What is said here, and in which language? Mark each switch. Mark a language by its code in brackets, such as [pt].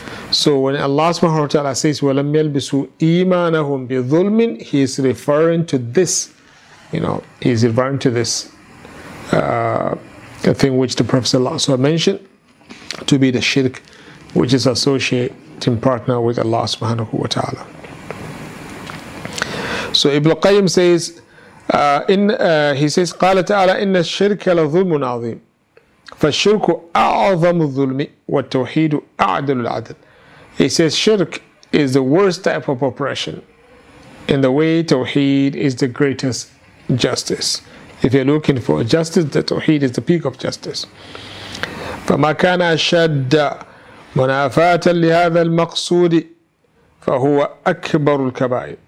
[en] So when Allah subhanahu wa ta'ala says, [ar] وَلَمْ يَلْبِسُوا إِيمَانَهُمْ بِظُلْمٍ, [en] he is referring to this, you know, he's referring to this thing which the Prophet sallallahu alaihi mentioned to be the shirk, which is associating partner with Allah subhanahu wa ta'ala. So Ibn Qayyim says, he says, [ar] قَالَ تَعَالَىٰ إِنَّ الشِّرْكَ لَظُلْمٌ عَظِيمٌ فَالشِّرْكُ أَعْظَمُ الظُّلْمِ وَالتَّوْحِيدُ أَعْدَلُ الْعَدْلِ. [en] He says, shirk is the worst type of oppression, in the way tawheed is the greatest justice. If you're looking for justice, the tawheed is the peak of justice. [ar] فَمَا كَانَ أَشَدَّ مُنَافَاتًا لِهَذَا الْمَقْصُودِ فَهُوَ أَكْبَرُ الْكَبَائِرِ.